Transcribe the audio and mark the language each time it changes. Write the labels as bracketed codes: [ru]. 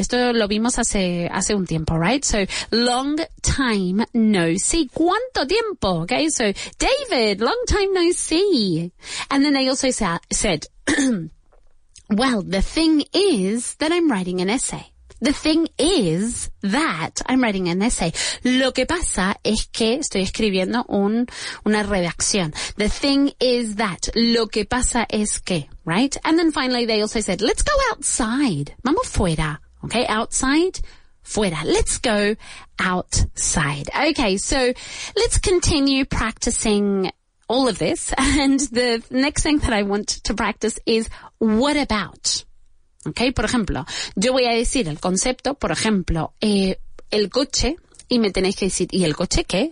[es] Esto lo vimos hace un tiempo, right? [en] So, long time no see. [es] ¿Cuánto tiempo? [en] Okay, so, David, long time no see. And then they also said, well, the thing is that I'm writing an essay. The thing is that I'm writing an essay. [es] Lo que pasa es que estoy escribiendo una redacción. [en] The thing is that. [es] Lo que pasa es que. Right? [en] And then finally they also said, let's go outside. [es] Vamos fuera. [en] Okay? Outside. [es] Fuera. [en] Let's go outside. Okay. So let's continue practicing all of this. And the next thing that I want to practice is what about? [es] Okay, por ejemplo, yo voy a decir el concepto, por ejemplo, el coche, y me tenéis que decir, ¿y el coche qué?